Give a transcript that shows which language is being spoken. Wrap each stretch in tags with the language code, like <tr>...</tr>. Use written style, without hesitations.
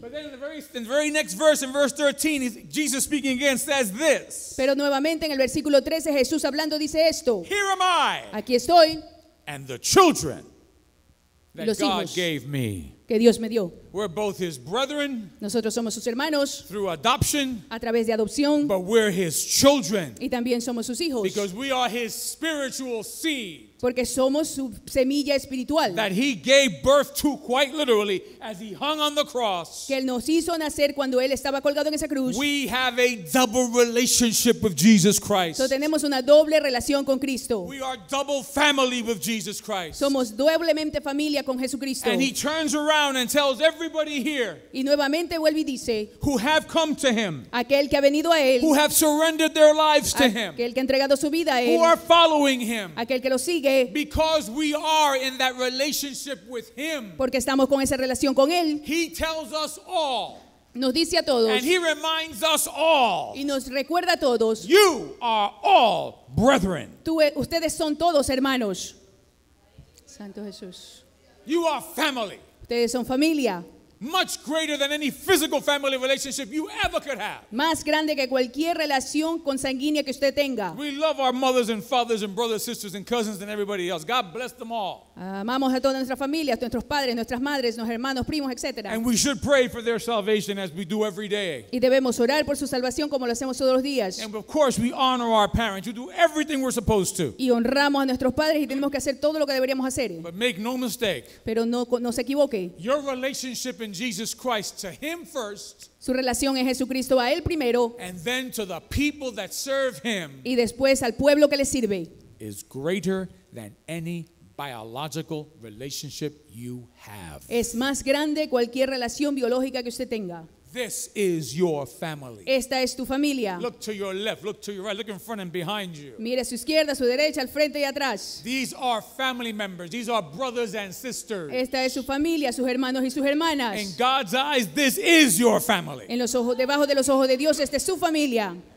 <en>But then in the very next verse, in verse 13, Jesus speaking again says this.</en> <es>Pero nuevamente en el versículo 13 Jesús hablando dice esto.</es> <en>Here am I.</en> <es>Aquí estoy.</es> <en>And the children that</en> <es>los hijos.</es> <en>God gave me.</en> <es>Que Dios me dio.</es> <en>We're both his brethren.</en> <es>Nosotros somos sus hermanos.</es> <en>Through adoption.</en> <es>A través de adopción.</es> <en>But we're his children.</en> <es>Y también somos sus hijos.</es> <en>Because we are his spiritual seed.</en> <es>Porque somos su semilla espiritual.</es> <en>That he gave birth to quite literally as he hung on the cross.</en> <es>Que él nos hizo nacer cuando él estaba colgado en esa cruz.</es> <en>We have a double relationship with Jesus Christ. So</en> <es>tenemos una doble relación con Cristo.</es> <en>We are double family with Jesus Christ.</en> <es>Somos doblemente familia con Jesucristo.</es> <en>And he turns around and tells everybody here.</en> <es>Y nuevamente vuelve y dice.</es> <en>Who have come to him.</en> <es>Aquel que ha venido a él.</es> <en>Who have surrendered their lives to him.</en> <es>Aquel que ha entregado su vida a él.</es> <en>Who are following him.</en> <es>Aquel que lo sigue.</es> <en>Because we are in that relationship with him.</en> <es>Porque estamos con esa relación con él.</es> <en>He tells us all.</en> <es>Nos dice a todos.</es> <en>And he reminds us all.</en> <es>Y nos recuerda a todos.</es> <en>You are all brethren.</en> <es>Ustedes son todos hermanos. Santo Jesús.</es> <en>You are family.</en> <es>Ustedes son familia.</es> <en>Much greater than any physical family relationship you ever could have.</en> <es>Más grande que cualquier relación consanguínea que usted tenga.</es> <en>We love our mothers and fathers and brothers, sisters and cousins and everybody else. God bless them all.</en> <es>Amamos a toda nuestra familia, a nuestros padres, nuestras madres, nuestros hermanos, primos, etc.</es> <en>And we should pray for their salvation as we do every day.</en> <es>Y debemos orar por su salvación como lo hacemos todos los días.</es> <en>And of course we honor our parents. We do everything we're supposed to.</en> <es>Y honramos a nuestros padres y tenemos que hacer todo lo que deberíamos hacer.</es> <en>But make no mistake.</en> <es>Pero no se equivoque.</es> <en>Your relationship in Jesus Christ to him first.</en> <es>Su relación en Jesucristo a él primero.</es> <en>And then to the people that serve him.</en> <es>Y después al pueblo que le sirve.</es> <en>Is greater than any biological relationship you have.</en> <es>Es más grande cualquier relación biológica que usted tenga.</es> <en>This is your family.</en> <es>Esta es tu familia.</es> <en>Look to your left, look to your right, look in front and behind you.</en> <es>Mira a su izquierda, a su derecha, al frente y atrás.</es> <en>These are family members. These are brothers and sisters.</en> <es>Esta es su familia, sus hermanos y sus hermanas.</es> <en>In God's eyes, this is your family.</en> <es>En los ojos, debajo de los ojos de Dios, esta es su familia.</es>